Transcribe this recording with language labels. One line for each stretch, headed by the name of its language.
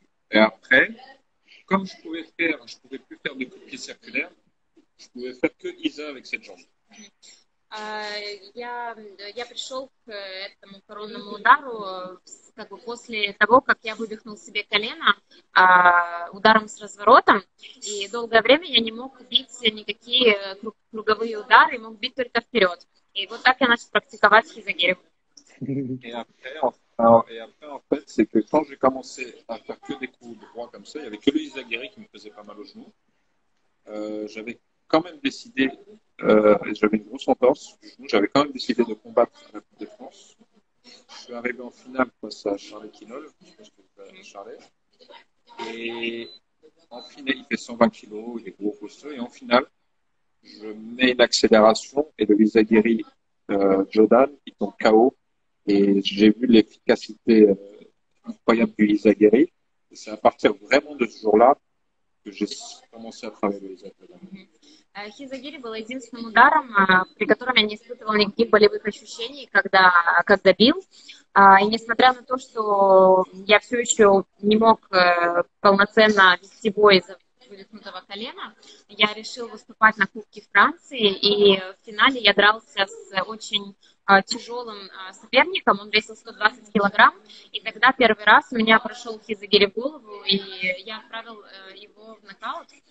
French: Et après, comme je pouvais plus faire de coup de pied circulaire, je pouvais faire que Isa avec cette jambe.
Russian: Я пришел к этому коронному удару как бы после того, как я вывихнул себе колено ударом с разворотом, и долгое время я не мог бить никакие круговые удары, мог бить только вперед. И вот так я начал практиковать хизагири.
French: Et après, en fait, c'est que quand j'ai commencé à faire que des coups droits comme ça, il n'y avait que le hizagiri qui me faisait pas mal au genou. J'avais quand même décidé, et j'avais une grosse entorse du genou, j'avais quand même décidé de combattre la Coupe de France. Je suis arrivé en finale face à Charles Quinol, Charles. Et en finale, il fait 120 kilos, il est gros, costaud. Et en finale, je mets l'accélération et le hizagiri Jodan, il tombe KO. Et j'ai vu l'efficacité incroyable du hizagiri. C'est à partir vraiment de ce jour-là que j'ai commencé à travailler le hizagiri.
Russian: Хизагири был единственным ударом, при котором я не испытывала никаких болевых ощущений, когда бил. И несмотря на то, что я все еще не мог полноценно вести бой из-за вывихнутого колена, я решил выступать на Кубке Франции, и в финале я дрался с очень тяжелым соперником, он весил 120 килограмм, и тогда первый раз у меня прошел хизагири в голову, и я отправил его в нокаут.